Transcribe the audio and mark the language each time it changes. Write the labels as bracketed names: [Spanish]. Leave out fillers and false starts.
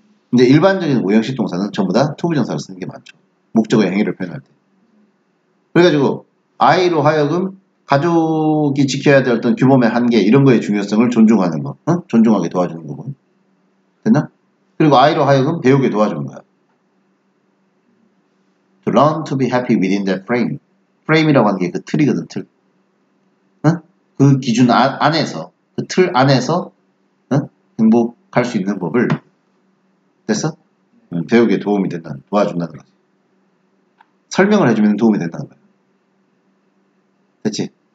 [Korean] 근데 일반적인 오형식 동사는 전부 다 to 부정사를 쓰는 게 많죠. 목적어의 행위를 표현할 때. 그래가지고 I로 하여금 가족이 지켜야 될 어떤 규범의 한계 이런 거의 중요성을 존중하는 거, 어? 존중하게 도와주는 거군. 됐나? 그리고 I로 하여금 배우게 도와주는 거야. [English] To learn to be happy within that frame. [Korean] 프레임이라고 하는 게 그 틀이거든, 틀. 그 기준 안에서, 그 틀 안에서 어? 행복할 수 있는 법을 됐어? 배우기에 도움이 된다는, 도와준다는 거지. 설명을 해주면 도움이 된다는 거야. 됐지?